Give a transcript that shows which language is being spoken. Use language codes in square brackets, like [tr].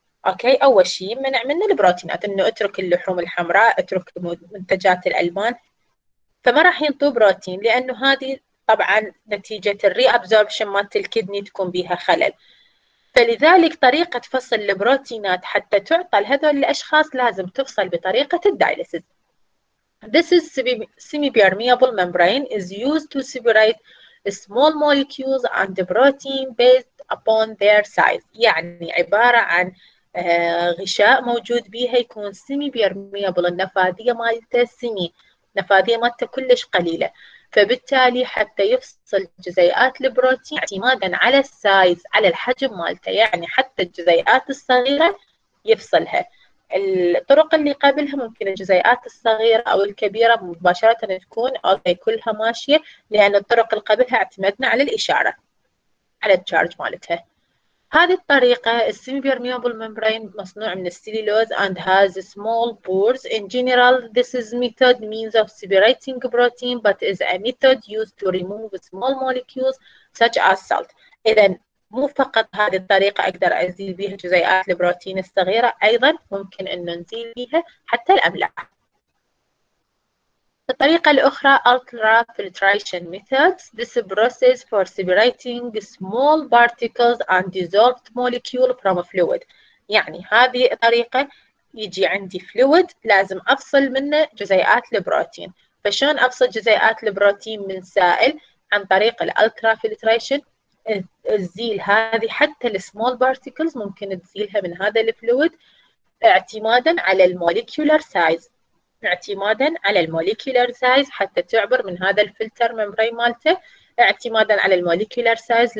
[ar] أوكي، أول شيء يمنع منه البروتينات إنه اترك اللحوم الحمراء، اترك منتجات الألبان، فما راح ينطوه بروتين لأنه هذه طبعا نتيجة الري أبزوربشن مالت الكدني تكون بيها خلل. فلذلك طريقة فصل البروتينات حتى تعطى لهذول الأشخاص لازم تفصل بطريقة الدايلسيس. [en] This is semi permeable membrane is used to separate small molecules and protein based upon their size. [ar] يعني عبارة عن غشاء موجود بيها يكون semi permeable، النفاذية مالته semi، نفاذية مالته كلش قليلة، فبالتالي حتى يفصل جزيئات البروتين اعتمادا على السايز، على الحجم مالته، يعني حتى الجزيئات الصغيره يفصلها. الطرق اللي قبلها ممكن الجزيئات الصغيره او الكبيره مباشره تكون اوكي كلها ماشيه، لان الطرق اللي قبلها اعتمدنا على الاشاره، على التشارج مالتها. هذه الطريقة السيمبيرميوبل ممبرين مصنوع من السيلولوز [en] and has small pores. In general, this is method means of separating protein, but is a method used to remove small molecules such as salt. [ar] إذن مو فقط هذه الطريقة أقدر أزيل بها جزيئات البروتين الصغيرة، أيضا ممكن أن نزيل بها حتى الأملاح. الطريقة الأخرى Ultra Filtration Methods. [en] This process for separating small particles and dissolved molecule from a fluid. [ar] يعني هذه الطريقة يجي عندي fluid لازم أفصل منه جزيئات البروتين. فشون أفصل جزيئات البروتين من سائل؟ عن طريق Ultra Filtration. تزيل هذه حتى السمول بارتيكلز ممكن تزيلها من هذا الفلويد اعتمادا على المولكيولر سايز، اعتمادا على المولكيولر سايز حتى تعبر من هذا الفلتر ممبرين مالته، اعتمادا على المولكيولر سايز.